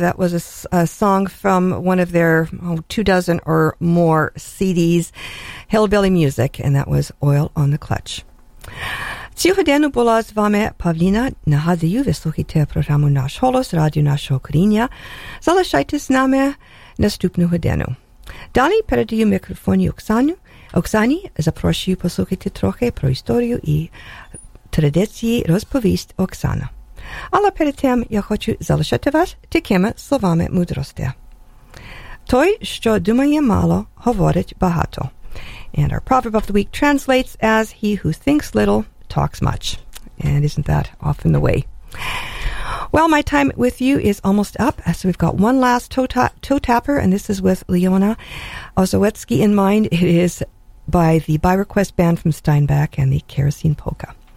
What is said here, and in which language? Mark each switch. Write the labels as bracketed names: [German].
[English] That was a song from one of their two dozen or more CDs, Hillbilly Music, and that was Oil on the Clutch. [Ukrainian] Цього дня була з вами Павліна. Нагадую, ви слухаєте програму «Наш голос», радіо нашого коріння. Залишайтесь з нами наступного дня. Далі передаю мікрофон Оксані. Оксані, запрошую послухати трохи про історію і традиції розповість Оксана. Але перед тим я хочу залишити вас такими словами мудрості. Той, що думає мало, говорить багато. [English] And our proverb of the week translates as he who thinks little talks much. And isn't that often the way? Well, my time with you is almost up, so we've got one last toe tapper, and this is with Leona Ozowetsky in mind. It is by the By Request Band from Steinbeck and the Kerosene Polka.